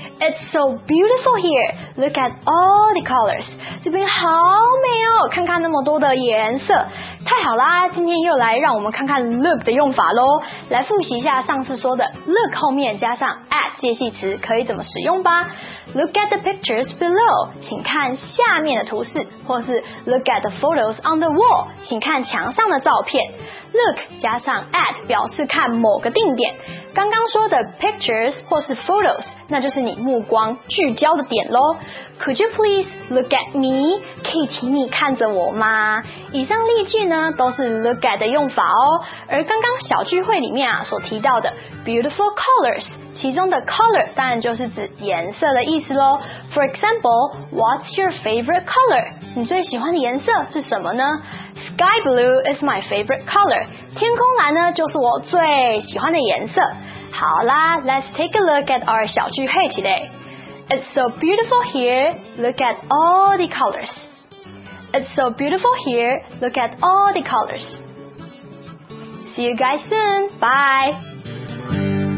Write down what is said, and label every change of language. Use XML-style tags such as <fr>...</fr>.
<en>It's so beautiful here. Look at all the colors.</en> <zh>这边好美哦，看看那么多的颜色。太好啦，今天又来让我们看看 look 的用法咯。来复习一下上次说的 look 后面加上 at 介系词可以怎么使用吧。</zh> <en>Look at the pictures below.</en> <zh>请看下面的图示，或是</zh> <en>look at the photos on the wall.</en> <zh>请看墙上的照片。 Look 加上 at 表示看某个定点。刚刚说的 pictures 或是 photos， 那就是你目光聚焦的点咯。</zh> <en>Could you please look at me?</en> <zh>可以请你看着我吗？以上例句呢都是 look at 的用法哦。而刚刚小聚会里面啊所提到的 beautiful colors， 其中的 color 当然就是指颜色的意思咯。</zh> <en>For example, what's your favorite color?</en> <zh>你最喜欢的颜色是什么呢？</zh> <en>Sky blue is my favorite color.</en> <zh>天空蓝呢就是我最喜欢的颜色。好啦，</zh> <en>let's take a look at our 小聚会 today. It's so beautiful here, look at all the colors. It's so beautiful here, look at all the colors. See you guys soon, bye!</en>